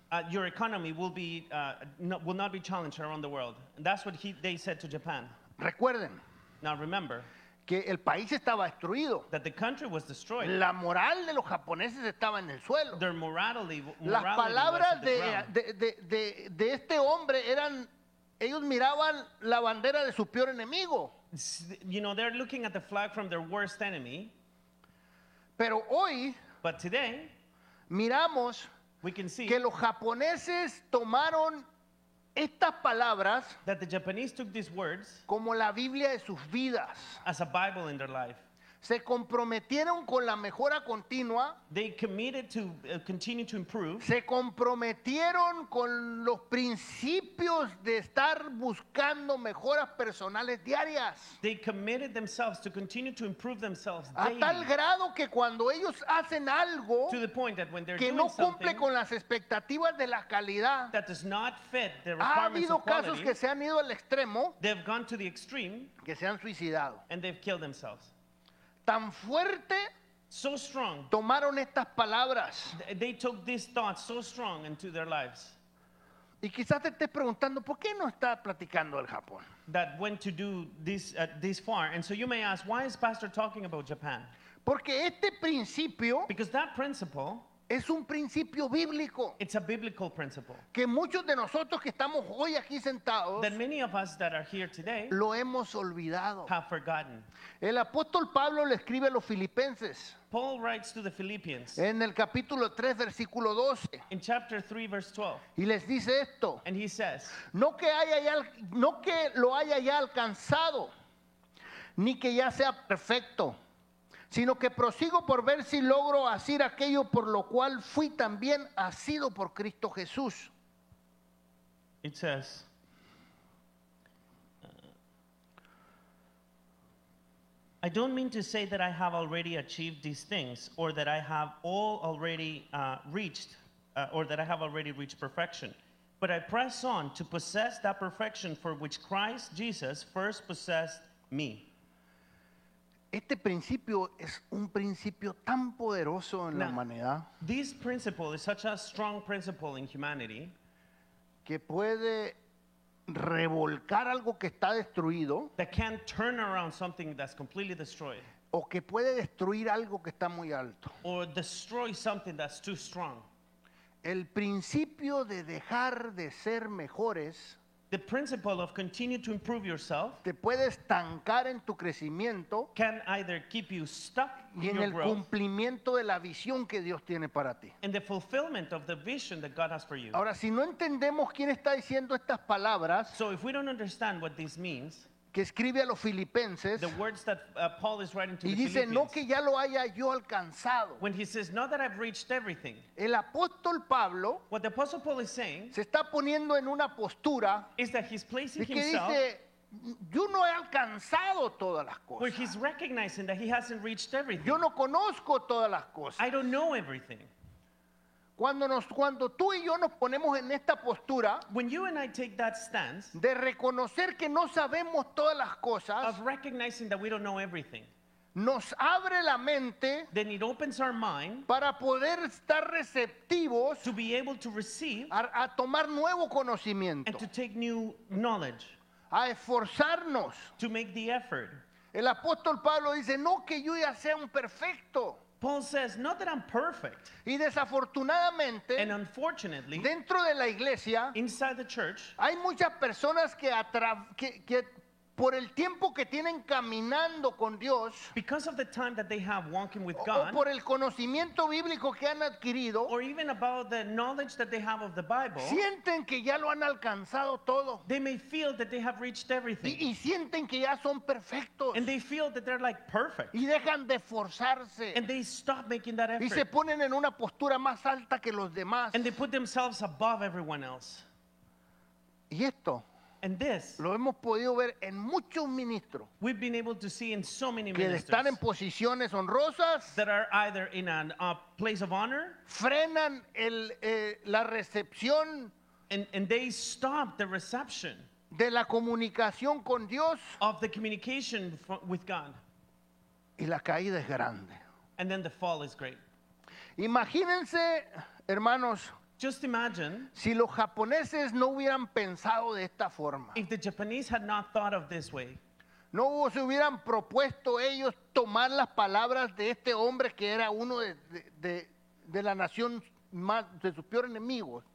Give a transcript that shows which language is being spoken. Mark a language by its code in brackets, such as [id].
[en] Your economy will not be challenged around the world. That's what they said to Japan. [es] Recuerden. [en] Now remember. [es] Que el país estaba destruido. [en] That the country was destroyed. [es] La moral de los japoneses estaba en el suelo. [en] Their morality, [es] las palabras de este hombre eran, ellos miraban la bandera de su peor enemigo. [en] You know, they're looking at the flag from their worst enemy. [es] Pero hoy, [en] but today, [es] miramos, [en] we can see, [es] que los japoneses tomaron estas palabras, [en] that the Japanese took these words, [es] como la Biblia de sus vidas, [en] as a Bible in their life, [es] se comprometieron con la mejora continua, [en] they committed to continue to improve, [es] se comprometieron con los principios de estar buscando mejoras personales diarias, [en] they committed themselves to continue to improve themselves daily, [es] a tal grado que cuando ellos hacen algo, [en] to the point that when they're [es] que [en] doing [es] no cumple con las expectativas de la calidad, [en] that does not fit the [es] ha habido [en] of [es] casos [en] quality, [es] que se han ido al extremo, [en] they've gone to the extreme, [es] que se han suicidado, [en] and they've killed themselves. [es] Tan fuerte, [en] so strong, [es] tomaron estas palabras. [en] They took these thoughts so strong into their lives. [es] Y quizás te estés preguntando, ¿por qué no está platicando el Japón? [en] That went to do this this far. And so you may ask, why is Pastor talking about Japan? [es] Porque este principio, [en] because that principle, [es] es un principio bíblico. [en] It's a biblical principle. [es] Que muchos de nosotros que estamos hoy aquí sentados, [en] that many of us that are here today, [es] lo hemos olvidado. [en] Have forgotten. [es] El apóstol Pablo le escribe a los filipenses. [en] Paul writes to the Philippians. [es] En el capítulo 3, versículo 12. [en] In chapter 3, verse 12. [es] Y les dice esto. [en] And he says, [es] no que lo haya ya alcanzado, ni que ya sea perfecto, sino que prosigo por ver si logro hacer aquello por lo cual fui también asido por Cristo Jesús. [en] It says, I don't mean to say that I have already achieved these things, or that I have all already reached perfection. But I press on to possess that perfection for which Christ Jesus first possessed me. [es] Este principio es un principio tan poderoso en la humanidad. [en] This principle is such a strong principle in humanity [es] que puede revolcar algo que está destruido, [en] that can turn around something that's completely destroyed, [es] o que puede destruir algo que está muy alto, [en] or destroy something that's too strong. [es] El principio de dejar de ser mejores, [en] the principle of continue to improve yourself, [es] te puede estancar en tu crecimiento, [en] can either keep you stuck [es] y en el cumplimiento de la visión que Dios tiene para ti, [en] and the fulfillment of the vision that God has for you. [es] Ahora, si no entendemos quién está diciendo estas palabras, [en] so if we don't understand what this means, [es] que escribe a los filipenses, [en] the words that Paul is writing to [es] y [en] the [es] dice, [en] Philippians, [es] no que ya lo haya yo alcanzado. [en] When he says, not that I've reached everything. [es] El apóstol Pablo, [en] what the apostle Paul is saying, [es] se está poniendo en una postura, [en] is that he's placing himself, [es] que dice, yo no he alcanzado todas las cosas. [en] Where he's recognizing that he hasn't reached everything. [es] Yo no conozco todas las cosas. [en] I don't know everything. [es] Cuando tú y yo nos ponemos en esta postura, [en] when you and I take that stance, [es] de reconocer que no sabemos todas las cosas, [en] of recognizing that we don't know everything, [es] nos abre la mente, [en] then it opens our mind, [es] para poder estar receptivos, [en] to be able to receive, [es] a tomar nuevo conocimiento, [en] and to take new knowledge, [es] a esforzarnos, [en] to make the effort. [es] El apóstol Pablo dice, no que yo ya sea un perfecto. [en] Paul says, not that I'm perfect. [es] Y desafortunadamente, [en] and unfortunately, [es] dentro de la iglesia, [en] inside the church, [es] hay muchas personas que por el tiempo que tienen caminando con Dios, [en] because of the time that they have walking with God, [es] o por el conocimiento bíblico que han adquirido, [en] or even about the knowledge that they have of the Bible, [es] sienten que ya lo han alcanzado todo. [en] They may feel that they have reached everything. [es] Y sienten que ya son perfectos. [en] And they feel that they're like perfect. [es] Y dejan de forzarse. [en] And they stop making that effort. [es] Y se ponen en una postura más alta que los demás. [en] And they put themselves above everyone else. [es] Y esto, [en] and this, [es] lo hemos podido ver en muchos ministros, [en] we've been able to see in so many [es] que [en] ministers, [es] están en posiciones honrosas, [en] that are either in a place of honor, [es] frenan la recepción, [en] and they stop the reception [es] de la comunicación con Dios, [en] of the communication with God, [es] y la caída es grande, [en] and then the fall is great. [es] Imagínense, hermanos, [en] just imagine, [es] si los japoneses no hubieran pensado de esta forma, [en] if the Japanese had not thought of this way, [es] no se hubieran propuesto ellos tomar las palabras de este hombre que era uno de la nación más de sus peores enemigos.